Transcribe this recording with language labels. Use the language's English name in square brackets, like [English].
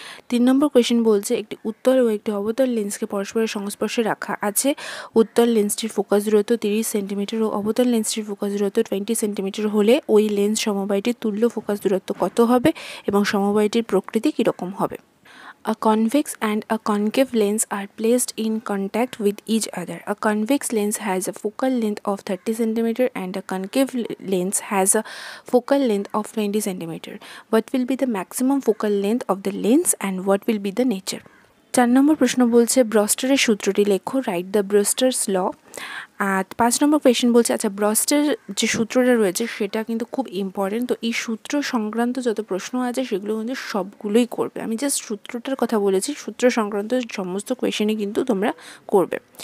[Bangla] তিন নম্বর কোয়েশ্চেন বলছে একটি উত্তল ও একটি অবতল লেন্সকে পরস্পরের সংস্পর্শে রাখা আছে, উত্তল লেন্সটির ফোকাস দূরত্ব 30 সেন্টিমিটার ও অবতল লেন্সটির ফোকাস দূরত্ব 20 সেন্টিমিটার হলে ওই লেন্স সমবায়টির তুল্য ফোকাস দূরত্ব কত হবে এবং সমবায়টির প্রকৃতি কীরকম হবে? [English] A convex and a concave lens are placed in contact with each other. A convex lens has a focal length of 30 cm and a concave lens has a focal length of 20 cm. What will be the maximum focal length of the lens and what will be the nature? [Bangla] চার নম্বর প্রশ্ন বলছে ব্রস্টারের সূত্রটি লেখো, [English] Write the Brewster's law. [Bangla] আর পাঁচ নম্বর question বলছে আচ্ছা ব্রস্টার যে সূত্রটা রয়েছে সেটা কিন্তু খুব ইম্পর্টেন্ট, তো এই সূত্র সংক্রান্ত যত প্রশ্ন আছে সেগুলো কিন্তু সবগুলোই করবে। আমি জাস্ট সূত্রটার কথা বলেছি, সূত্র সংক্রান্ত সমস্ত কোয়েশনই কিন্তু তোমরা করবে।